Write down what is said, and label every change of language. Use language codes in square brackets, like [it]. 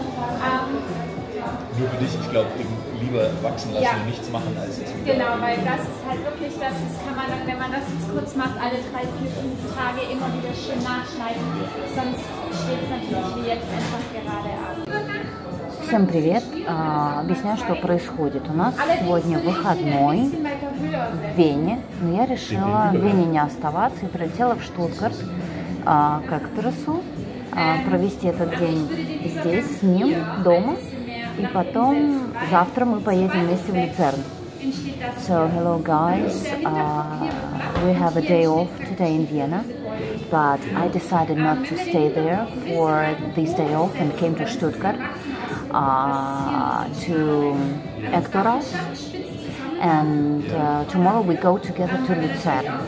[de] Nur für dich, ich glaube, eben lieber wachsen lassen und nichts machen als jetzt. Genau, weil das ist halt wirklich, das ist, kann man dann, wenn man das jetzt kurz macht, alle 3, 4, 5 Tage immer wieder schön nachschneiden. Sonst steht es natürlich wie jetzt einfach gerade ab. [ru] Всем привет! Объясняю, что происходит. У нас сегодня выходной в Вене, но я решила в Вене не оставаться и прилетела в Штутгарт к Эктерсу провести этот день здесь, с ним, дома. И потом завтра мы поедем вместе в Люцерн. [en] So, hello guys. We have a day off today in Vienna, but I decided not to stay there for this day off and came to Stuttgart. To Ektoras, and tomorrow we go together to Luzern.